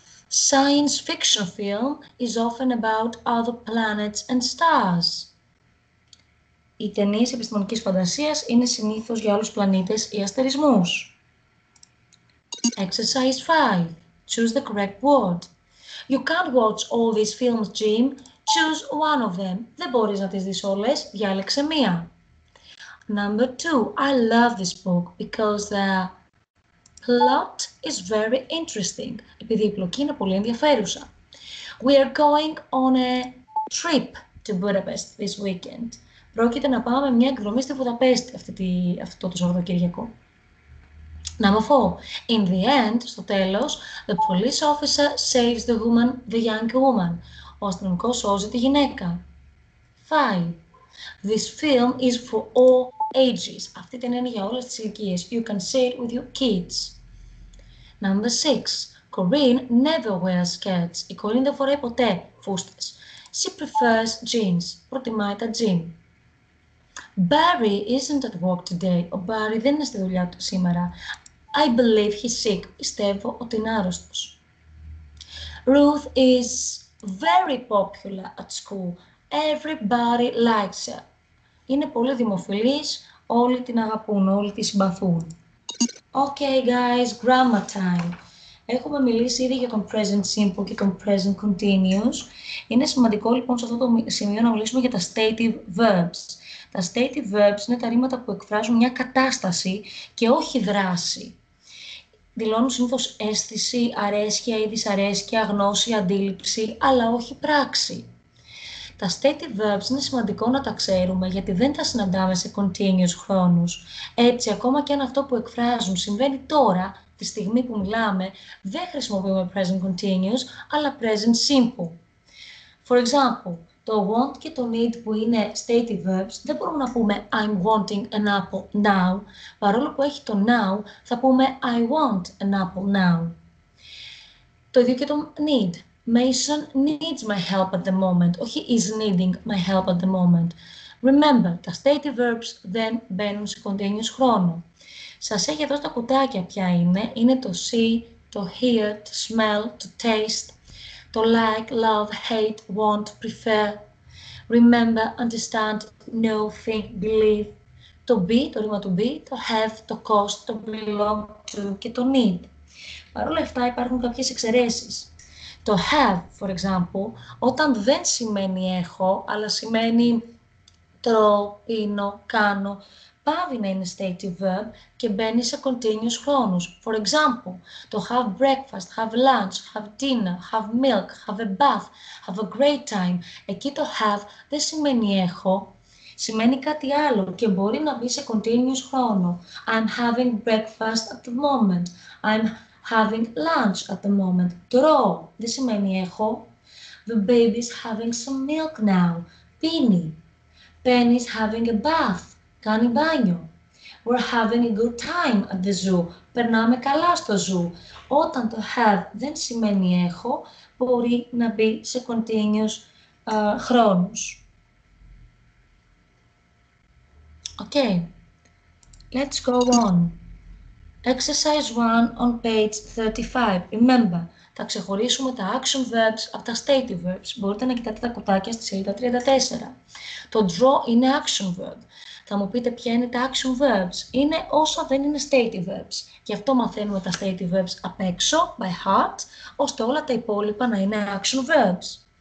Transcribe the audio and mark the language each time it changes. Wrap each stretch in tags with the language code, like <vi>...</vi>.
<en>Science fiction film is often about other planets and stars.</en> <el>Οι ταινίες επιστημονικής φαντασίας είναι συνήθως για άλλους πλανήτες ή αστερισμούς.</el> <en>Exercise 5. Choose the correct word. You can't watch all these films, Jim. Choose one of them.</en> <el>Δεν μπορείς να τις δεις όλες. Διάλεξε μία.</el> <en>Number 2. I love this book because the plot is very interesting.</en> <el>Επειδή η πλοκή είναι πολύ ενδιαφέρουσα.</el> <en>We are going on a trip to Budapest this weekend.</en> <el>Πρόκειται να πάμε μια εκδρομή στη Βουδαπέστη αυτό το Σαββατοκύριακο.</el> <en>Number 4. In the end,</en> <el>στο τέλος,</el> <en>the police officer saves the woman, the young woman.</en> <el>Ο αστυνομικός σώζει τη γυναίκα.</el> <en>5. This film is for all ages.</en> <el>Αυτή την είναι για όλες τις ηλικίες.</el> <en>You can see it with your kids. Number 6. Corinne never wears skirts.</en> <el>Η Corinne δεν φοράει ποτέ φούστες.</el> <en>She prefers jeans.</en> <el>Προτιμάει τα jean.</el> <en>Barry isn't at work today.</en> <el>Ο Barry δεν είναι στη δουλειά του σήμερα.</el> <en>I believe he's sick.</en> <el>Πιστεύω ότι είναι άρρωστος.</el> <en>Ruth is very popular at school. Everybody likes her.</en> <el>Είναι πολύ δημοφιλής. Όλοι την αγαπούν, όλοι τη συμπαθούν.</el> <en>Okay, guys, grammar time.</en> <el>Έχουμε μιλήσει ήδη για τον present simple και τον present continuous. Είναι σημαντικό, λοιπόν, σε αυτό το σημείο να μιλήσουμε για τα stative verbs. Τα stative verbs είναι τα ρήματα που εκφράζουν μια κατάσταση και όχι δράση. Δηλώνουν συνήθως αίσθηση, αρέσκεια ή δυσαρέσκεια, γνώση, αντίληψη, αλλά όχι πράξη. Τα stative verbs είναι σημαντικό να τα ξέρουμε γιατί δεν τα συναντάμε σε continuous χρόνους. Έτσι, ακόμα και αν αυτό που εκφράζουν συμβαίνει τώρα, τη στιγμή που μιλάμε, δεν χρησιμοποιούμε present continuous, αλλά present simple.</el> <en>For example,</en> <el>το want και το need που είναι stative verbs, δεν μπορούμε να πούμε</el> <en>I'm wanting an apple now.</en> <el>Παρόλο που έχει το now, θα πούμε</el> <en>I want an apple now.</en> <el>Το ίδιο και το need.</el> <en>Mason needs my help at the moment. Όχι is needing my help at the moment. Remember,</en> <el>τα stative verbs δεν μπαίνουν σε continuous χρόνο. Σας έχει εδώ στα κουτάκια ποια είναι. Είναι το see, το hear, το smell, το taste.</el> <en>Το like, love, hate, want, prefer, remember, understand, know, think, believe.</en> <el>Το be, το ρήμα to be, το have, το cost, το belong to και το need. Παρ' όλα αυτά υπάρχουν κάποιες εξαιρέσεις. Το have,</el> <en>for example,</en> <el>όταν δεν σημαίνει έχω, αλλά σημαίνει τρώω, πίνω, κάνω, πάβει να είναι stative verb και μπαίνει σε continuous χρόνους.</el> <en>For example, το have breakfast, have lunch, have dinner, have milk, have a bath, have a great time.</en> <el>Εκεί το have δεν σημαίνει έχω, σημαίνει κάτι άλλο και μπορεί να μπει σε continuous χρόνο.</el> <en>I'm having breakfast at the moment. I'm having lunch at the moment.</en> <el>Τρώω, δεν σημαίνει έχω.</el> <en>The baby's having some milk now.</en> <el>Πίνει.</el> <en>Penny's having a bath.</en> <el>Κάνει μπάνιο.</el> <en>We're having a good time at the zoo.</en> <el>Περνάμε καλά στο zoo. Όταν το have δεν σημαίνει έχω, μπορεί να μπει σε continuous χρόνους.</el> <en>Okay, let's go on. Exercise 1 on page 35. Remember,</en> <el>θα ξεχωρίσουμε τα action verbs από τα stative verbs. Μπορείτε να κοιτάτε τα κουτάκια στη σελίδα 34. Το draw είναι action verb. Θα μου πείτε ποια είναι τα action verbs. Είναι όσα δεν είναι stative verbs. Γι' αυτό μαθαίνουμε τα stative verbs απ' έξω,</el> <en>by heart,</en> <el>ώστε όλα τα υπόλοιπα να είναι action verbs.</el>